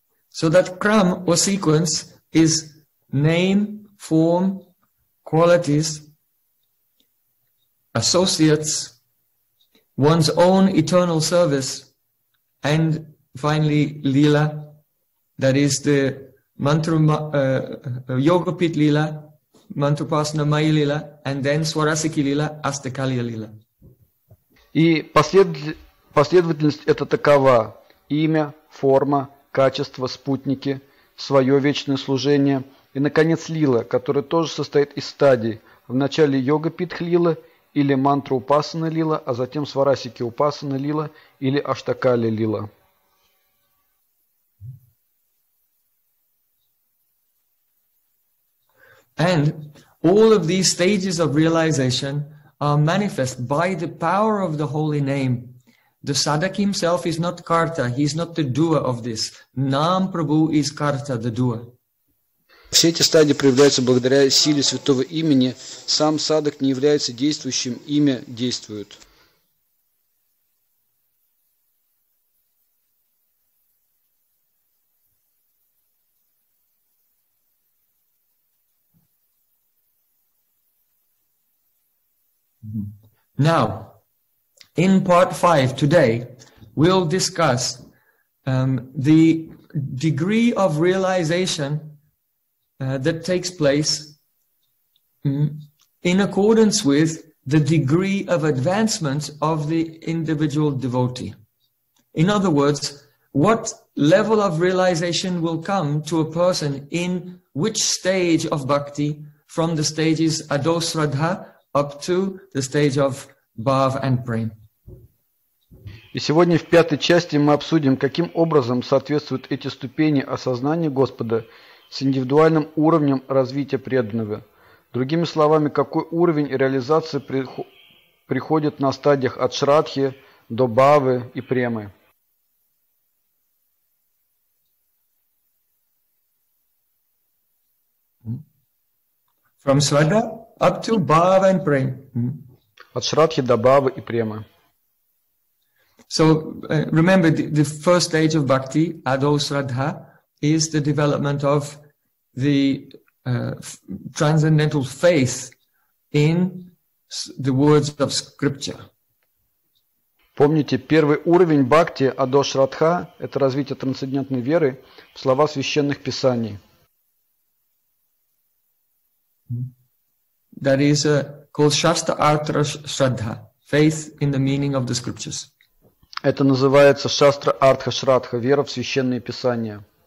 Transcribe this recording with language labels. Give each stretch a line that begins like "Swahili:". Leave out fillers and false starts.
English: So that kram or sequence is name, form, qualities, associates, one's own eternal service, and finally lila, that is the mantra, yogapit lila, mantrupasana maya lila, and then swarasiki lila, astakalya lila.
Russian: И последовательность это такова: имя, форма, качество, спутники, свое вечное служение и, наконец, лила, которая тоже состоит из стадий. Вначале йога питх лила или мантра упасана лила, а затем сварасики упасана лила или аштакали лила.
English: And all of these stages of realization are manifest by the power of the holy name. The sadhak himself is not karta, he is not the doer of this. Nam Prabhu is karta, the doer.
Russian: Все эти стадии проявляются благодаря силе святого имени. Сам садак не является действующим, имя действует.
English: Now, in part 5 today, we'll discuss the degree of realization that takes place in accordance with the degree of advancement of the individual devotee. In other words, what level of realization will come to a person in which stage of bhakti, from the stages adosraddha up to the stage of bhav and prem.
Russian: И сегодня в пятой части мы обсудим, каким образом соответствуют эти ступени осознания Господа с индивидуальным уровнем развития преданного. Другими словами, какой уровень реализации приходит на стадиях от Шраддхи до Бхавы и Премы.
English: From Shraddha up to Bhava and Prema.
Russian: От Шраддхи до Бхавы и Премы.
English: So, remember, the first stage of bhakti, Ado Shraddha, is the development of the transcendental faith in the words of scripture.
Russian: Помните, первый уровень бхакти, Ado Shraddha, это развитие трансцендентной веры в слова священных писаний.
English: That is called Shastra Artra Shraddha, faith in the meaning of the scriptures.
Russian: Это называется Шастра Артха Шраддха, вера в священные писания.